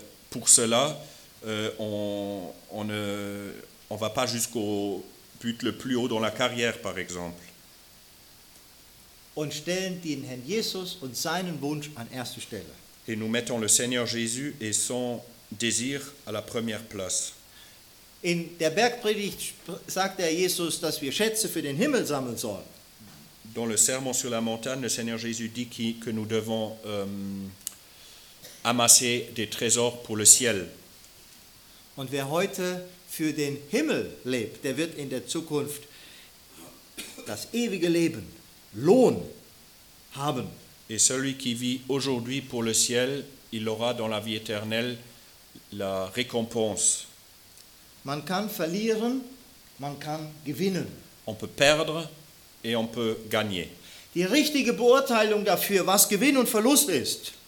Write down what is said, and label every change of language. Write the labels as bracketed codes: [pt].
[fr] Pour cela, on va pas jusqu'au but le plus haut dans la carrière, par exemple. [de] Und stellen den Herrn Jesus und seinen Wunsch an erste Stelle. [fr] Et nous mettons le Seigneur Jésus et son désir à la première place. [de] In der Bergpredigt sagt der Jesus, dass wir Schätze für den Himmel sammeln sollen. [fr] Dans le sermon sur la montagne, le Seigneur Jésus dit que nous devons amasser des trésors pour le ciel. [de] Und wer heute für den Himmel lebt, der wird in der Zukunft das ewige Leben, Lohn haben. [fr] Et celui qui vit aujourd'hui pour le ciel, il aura dans la vie éternelle la récompense. [de] Man kann verlieren, man kann gewinnen. [fr] On peut perdre et on peut gagner. [de] Die richtige Beurteilung dafür, was Gewinn und Verlust ist.